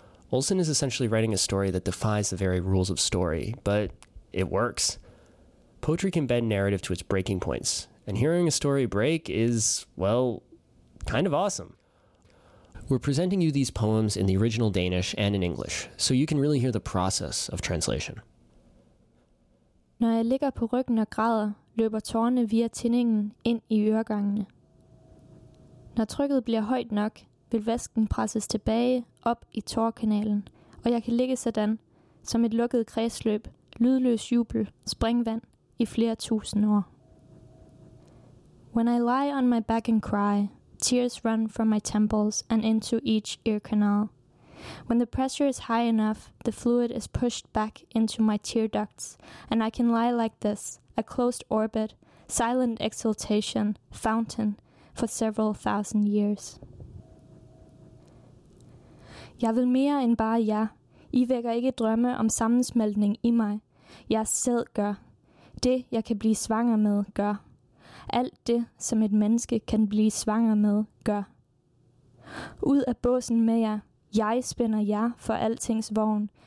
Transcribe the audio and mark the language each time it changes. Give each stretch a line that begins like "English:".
English: Olsen is essentially writing a story that defies the very rules of story, but it works. Poetry can bend narrative to its breaking points, and hearing a story break is, well, kind of awesome. We're presenting you these poems in the original Danish and in English, so you can really hear the process of translation.
Danish: Når jeg ligger på ryggen og græder, løber tårerne via tindingen ind i øregangene. Når trykket bliver højt nok, vil væsken presses tilbage op i tårkanalen, og jeg kan ligge sådan, som et lukket kredsløb, lydløs jubel, springvand i flere tusind år.
English: When I lie on my back and cry, tears run from my temples and into each ear canal. When the pressure is high enough, the fluid is pushed back into my tear ducts, and I can lie like this, a closed orbit, silent exhalation, fountain, for several thousand years.
Danish: Jeg vil mere end bare jer. I vækker ikke drømme om sammensmeltning i mig. Jeg selv gør. Det, jeg kan blive svanger med, gør. Alt det, som et menneske kan blive svanger med, gør. Ud af båsen med jer. Jeg spænder jer for altings vogn.